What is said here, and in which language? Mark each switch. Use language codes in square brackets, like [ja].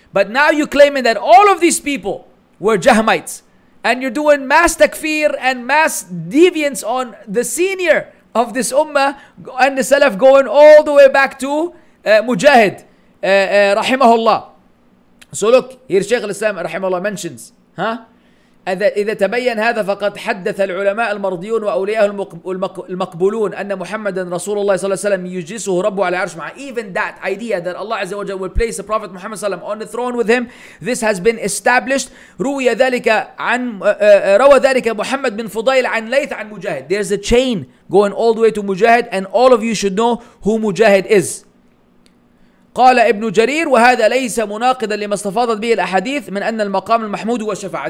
[en] But now you're claiming that all of these people were Jahmites. And you're doing mass takfir and mass deviance on the senior of this ummah and the Salaf going all the way back to Mujahid, rahimahullah. So look, here Shaykh al-Islam rahimahullah mentions, huh? [ar] إذا تبين هذا فقد حدث العلماء المرضيون وأولياءه المقبولون أن محمدا رسول الله صلى الله عليه وسلم يجلسه ربه على عرش معه. [en] Even that idea that Allah عز وجل will place the Prophet Muhammad صلى الله عليه وسلم on the throne with him, this has been established. [ar] روي ذلك عن روى ذلك محمد بن فضيل عن ليث عن مجاهد. [en] There's a chain going all the way to مجاهد, and all of you should know who مجاهد is. [ar] قال ابن جرير وهذا ليس مناقضا لما استفاضت به الأحاديث من أن المقام المحمود هو الشفاعة.